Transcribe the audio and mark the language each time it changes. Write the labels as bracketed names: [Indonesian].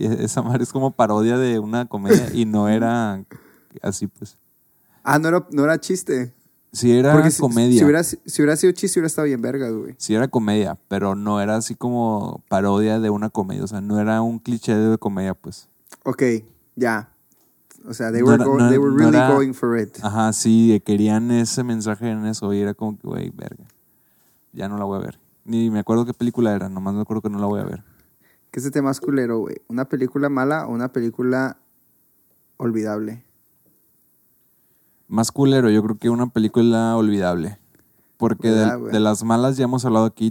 [Spanish] Esa madre es como parodia de una comedia y no era así, pues. Ah, no era chiste. Sí, era comedia. Si hubiera sido chiste, hubiera estado bien verga, güey. Sí, era comedia, pero no era así como parodia de una comedia. O sea, no era un cliché de comedia, pues. Ok, ya. O sea, [English] they were really going for it. [Spanish] Ajá, sí, querían ese mensaje en eso y era como que, güey, verga. Ya no la voy a ver. Ni me acuerdo qué película era, nomás me acuerdo que no la voy a ver. ¿Qué es el tema culero, güey? ¿Una película mala o una película olvidable? Más culero, yo creo que una película olvidable. Porque de las malas ya hemos hablado aquí.